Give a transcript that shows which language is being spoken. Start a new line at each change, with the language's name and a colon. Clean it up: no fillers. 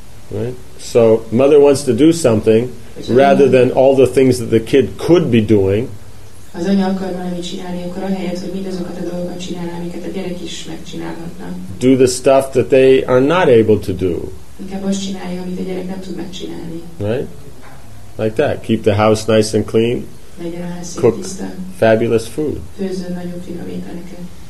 English: Right? So, mother wants to do something rather than all the things that the kid could be doing.
Hungarian: Az anya akar valami csinálni, akkor ahelyett, hogy mindazokat a dolgokat csinálná, amiket a gyerek is megcsinálhatna.
English: Do the stuff that they are not able to do.
Hungarian: Inkább azt csinálja, amit a gyerek nem tud megcsinálni.
English: Right? Like that. Keep the house nice and clean.
Hungarian: Legyen a ház
English: Cook
Hungarian: tiszta.
English: Fabulous food.
Hungarian: Főzzön nagyon finom ételeket.